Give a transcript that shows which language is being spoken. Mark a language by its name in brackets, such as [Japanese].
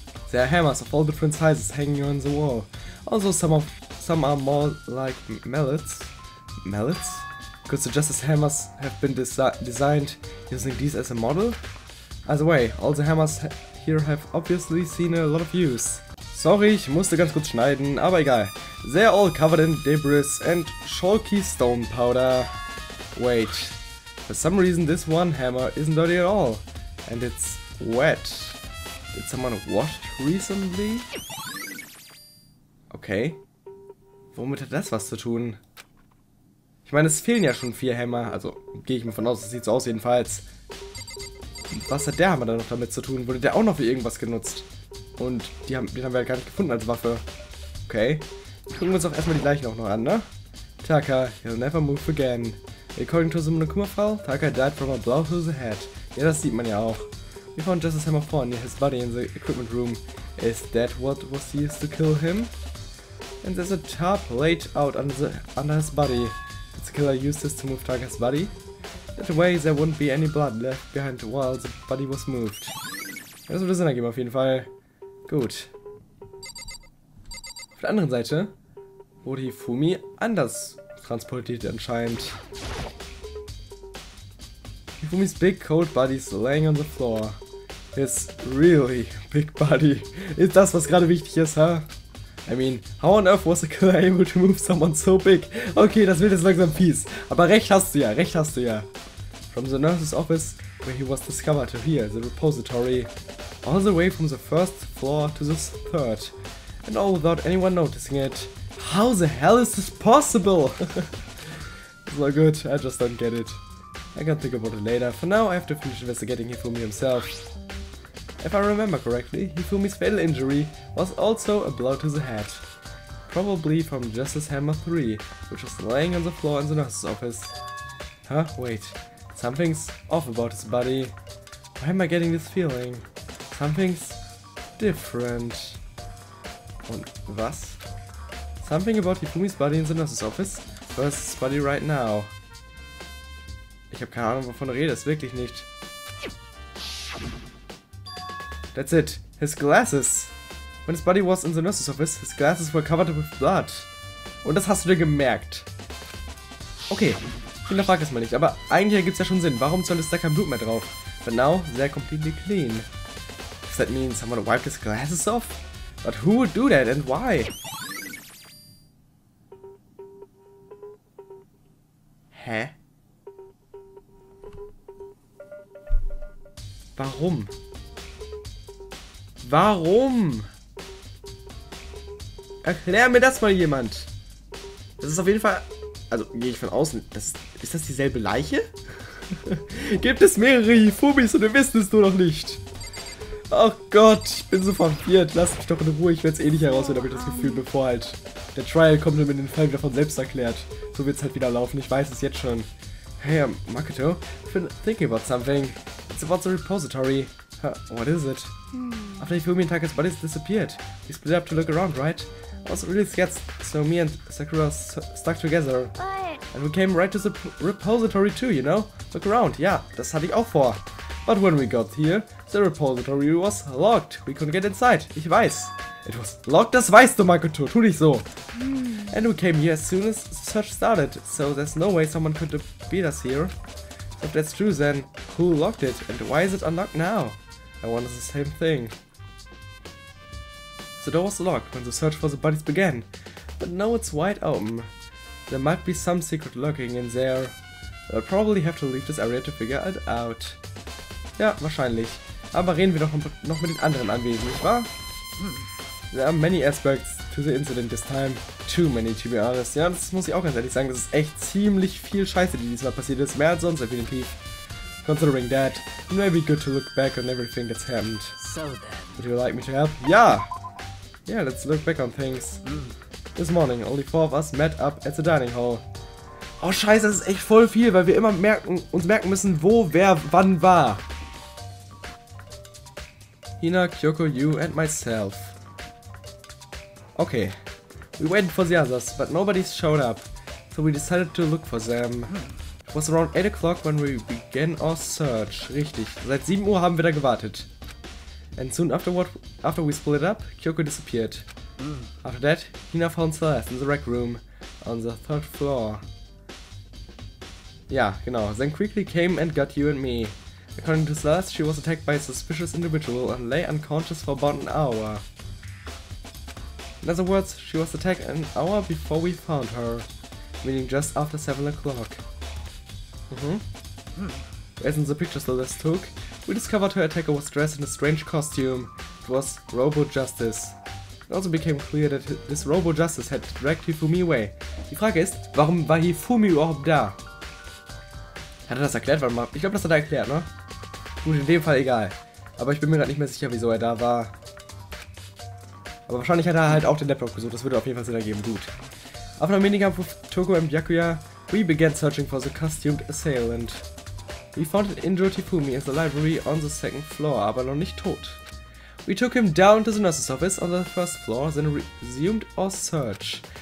[English] There are hammers of all different sizes hanging on the wall. Also some are more like mallets. Mallets? Could suggest as hammers have been designed using these as a model? Either way, all the hammers here have obviously seen a lot of use. [German] Sorry, ich musste ganz kurz schneiden, aber egal. [English] They're all covered in debris and shulky stone powder. Wait, for some reason this one hammer isn't dirty at all. And it's wet. Did someone wash recently? Okay. [German] Womit hat das was zu tun? Ich meine, es fehlen ja schon 4 Hämmer, also gehe ich mir von aus, es sieht so aus jedenfalls. Was hat der Hammer dann noch damit zu tun? Wurde der auch noch für irgendwas genutzt? Und den haben wir halt gar nicht gefunden als Waffe. Okay. Gucken wir uns doch erstmal die Leichen auch noch an, ne? [English] Taka, you'll never move again. According to the Monokuma file, Taka died from a blow through the head. [German] Ja, das sieht man ja auch. [English] We found just a hammer for near his body in the equipment room. Is that what was used to kill him? And there's a tarp laid out under his body. Did the killer use this to move Taka's body? That way, there wouldn't be any blood left behind while the body was moved. [German] Das würde Sinn ergeben, auf jeden Fall. Gut. Auf der anderen Seite wurde Ifumi anders transportiert anscheinend. [English] Ifumi's big cold body is laying on the floor. His really big body. [German] Ist das, was gerade wichtig ist, ha? [English] Huh? I mean, how on earth was the killer able to move someone so big? [German] Okay, das wird jetzt langsam fies. Aber recht hast du ja, recht hast du ja. [English] From the nurse's office, where he was discovered, to here, the repository. All the way from the first floor to the third. And all without anyone noticing it. How the hell is this possible? It's not good, I just don't get it. I can think about it later. For now, I have to finish investigating Ifumi himself. If I remember correctly, Hifumi's fatal injury was also a blow to the head. Probably from Justice Hammer 3, which was laying on the floor in the nurse's office. Huh? Wait. Something's off about his body. Why am I getting this feeling? Something's different. [German] Und was? [English] Something about Hifumi's body in the nurse's office versus his body right now. [German] Ich habe keine Ahnung, wovon du redest, wirklich nicht. [English] That's it. His glasses. When his body was in the nurse's office, his glasses were covered with blood. [German] Und das hast du dir gemerkt. Okay. Ich frage es mal nicht, aber eigentlich ergibt es ja schon Sinn. Warum soll es da kein Blut mehr drauf? [English] But now, they're completely clean. Does that mean someone wiped his glasses off? But who would do that and why? Hä? [German] Warum? Warum? Erklär mir das mal jemand. Das ist auf jeden Fall... Also, gehe ich von außen. Ist das dieselbe Leiche? Gibt es mehrere Ifumis und wir wissen es nur noch nicht. Oh Gott, ich bin so verwirrt. Lass mich doch in Ruhe. Ich werde es eh nicht herausfinden, habe ich das Gefühl, bevor halt der Trial kommt und mir den Fall wieder von selbst erklärt. So wird es halt wieder laufen. Ich weiß es jetzt schon. [English] Hey, Makoto, I've been thinking about something. It's about the repository. What is it? After Ifumi and Taka's body disappeared, he split up to look around, right? I was really scared, so me and Sakura stuck together. What? And we came right to the repository too, you know? Look around, yeah, [German] das hatte ich auch vor. [English] But when we got here, the repository was locked. We couldn't get inside, [German] ich weiß. [English] It was locked, [German] das weißt du, Makoto, tu nicht so. [English] And we came here as soon as the search started, so there's no way someone could beat us here. So if that's true, then who locked it and why is it unlocked now? I wonder the same thing. The door was locked when the search for the bodies began, but now it's wide open. There might be some secret lurking in there. I'll probably have to leave this area to figure it out. [German] Ja, wahrscheinlich. Aber reden wir doch noch mit den anderen Anwesenden, nicht wahr? [English] There are many aspects to the incident this time. Too many, to be honest. [German] Ja, das muss ich auch ganz ehrlich sagen. Das ist echt ziemlich viel Scheiße, die diesmal passiert ist. Mehr als sonst, definitiv. [English] Considering that, it may be good to look back on everything that's happened. So then. Would you like me to help? Yeah! Yeah, let's look back on things. Mm. This morning, only four of us met up at the dining hall. [German] Oh scheiße, das ist echt voll viel, weil wir immer uns merken müssen, wo, wer, wann war. [English] Hina, Kyoko, you and myself. Okay. We waited for the others, but nobody showed up. So we decided to look for them. It was around 8 o'clock when we began our search. [German] Richtig, seit 7 Uhr haben wir da gewartet. [English] And soon after we split up, Kyoko disappeared. After that, Hina found Celeste in the rec room on the third floor. [German] Ja, genau. [English] Then quickly came and got you and me. According to Celeste, she was attacked by a suspicious individual and lay unconscious for about an hour. In other words, she was attacked an hour before we found her, meaning just after 7 o'clock. Based on the pictures Celeste took, we discovered her attacker was dressed in a strange costume. It was Robo Justice. It also became clear that this Robo Justice had dragged Hifumi away. [German] Die Frage ist, warum war Hifumi überhaupt da? Hat er das erklärt? Warte mal. Ich glaube, das hat er erklärt, ne? Gut, in dem Fall egal. Aber ich bin mir gerade nicht mehr sicher, wieso er da war. Aber wahrscheinlich hat er halt auch den Laptop gesucht. Das würde auf jeden Fall Sinn ergeben. Gut. [English] After a minigame with Toko and Byakuya, we began searching for the costumed assailant. We found an injured Hifumi in the library on the second floor, [German] aber noch nicht tot. [English] We took him down to the nurse's office on the first floor, then resumed our search.